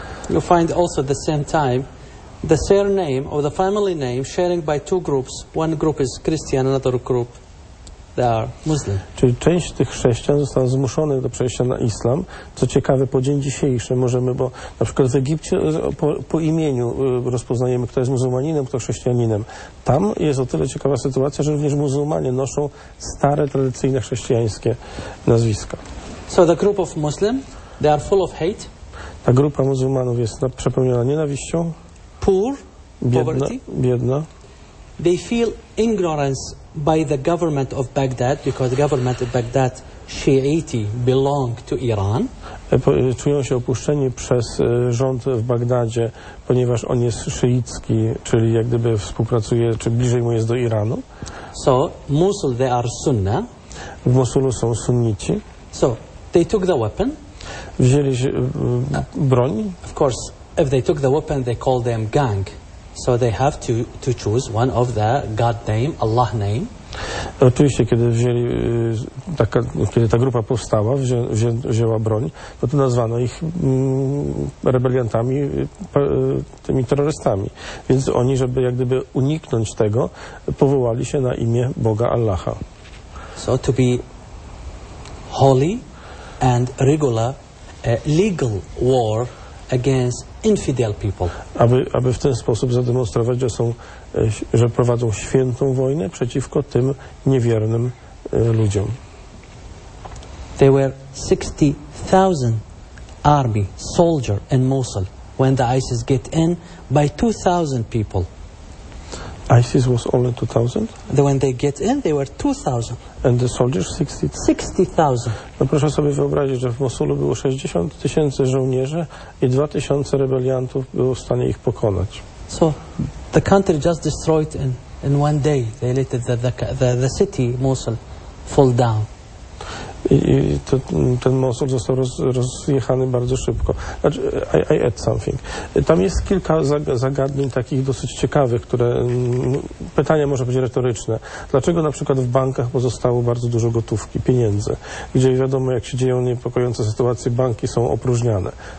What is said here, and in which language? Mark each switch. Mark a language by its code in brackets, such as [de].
[en] You find also at the same time the surname or the family name sharing by two groups. One group is Christian, another group they are Muslim. [pl] Czyli część tych chrześcijan została zmuszona do przejścia na islam. Co ciekawe, po dzień dzisiejszy możemy, bo na przykład w Egipcie po imieniu rozpoznajemy, kto jest muzułmaninem, kto chrześcijaninem. Tam jest o tyle ciekawa sytuacja, że również muzułmanie noszą stare, tradycyjne chrześcijańskie nazwiska. [en] So the group of Muslim, they are full of hate. [pl] Ta grupa muzułmanów jest przepełniona nienawiścią. [en] Poor, [pl] biedna, [en] poverty. [pl] Biedna. [en] They feel ignorance by the government of Baghdad because the government of Baghdad Shiiti belong to Iran. [pl] Czują się opuszczeni przez rząd w Bagdadzie, ponieważ on jest szyicki, czyli jak gdyby współpracuje, czy bliżej mu jest do Iranu. [en] So Mosul, they are Sunna. [pl] W Mosulu są sunnici. [en] So they took the weapon. [pl] Wzięli broń. [en] Of course. If they took the weapon, they call them gang. So they have to choose one of the God name, Allah name. [pl] Oczywiście, kiedy wzięli, kiedy ta grupa powstała, wzięła broń, no to nazwano ich rebeliantami, tymi terrorystami. Więc oni, żeby jak gdyby uniknąć tego, powołali się na imię Boga Allaha. So to be holy and regular legal war against infidel people. Aby w ten sposób zademonstrować, że są, że prowadzą świętą wojnę przeciwko tym niewiernym ludziom. [en] There were 60,000 army soldier in Mosul when the ISIS get in by 2,000 people. ISIS was only 2,000? When they get in, they were 2,000. And the soldiers 60? 60,000. [pl] No proszę sobie wyobrazić, że w Mosulu było 60 tysięcy żołnierzy i 2,000 rebeliantów było w stanie ich pokonać. [en] So, the country just destroyed in one day. They let the city, Mosul, fall down. [pl] I to, ten Mosul został rozjechany bardzo szybko. Znaczy, [en] I add something. [pl] Tam jest kilka zagadnień takich dosyć ciekawych, które pytania może być retoryczne. Dlaczego na przykład w bankach pozostało bardzo dużo gotówki, pieniędzy, gdzie wiadomo, jak się dzieją niepokojące sytuacje, banki są opróżniane.